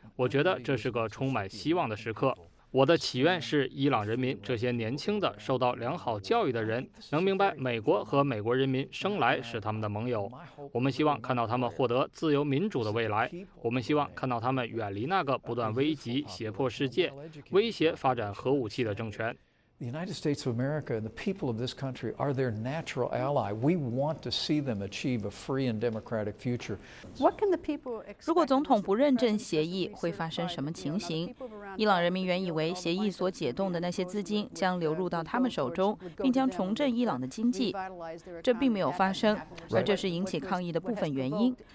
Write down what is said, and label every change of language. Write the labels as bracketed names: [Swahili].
[Chinese] 我觉得这是个充满希望的时刻。我的祈愿是伊朗人民这些年轻的受到良好教育的人能明白美国和美国人民生来是他们的盟友。我们希望看到他们获得自由民主的未来。我们希望看到他们远离那个不断危及胁迫世界、威胁发展核武器的政权。 [English] The United States of America and the people of this country are their natural ally. We want to see them achieve a free and democratic future. What can the people expect? [Chinese] 如果总统不认证协议，会发生什么情形？伊朗人民原以为协议所解冻的那些资金将流入到他们手中，并将重振伊朗的经济。这并没有发生，而这是引起抗议的部分原因。